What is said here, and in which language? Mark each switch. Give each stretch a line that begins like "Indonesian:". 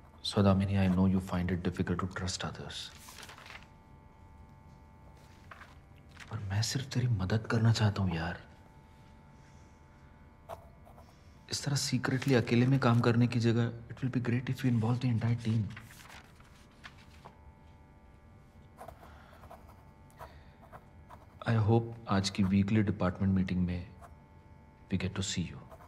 English: So Damini, I know you find it difficult to trust others.
Hindi: पर मैं सिर्फ तेरी मदद करना चाहता हूँ यार। इस तरह
English: secretly
Hindi: अकेले में काम करने की जगह,
English: it will be great if you involve the entire team. I hope
Hindi: आज की
English: weekly department meeting
Hindi: में
English: we get to see you.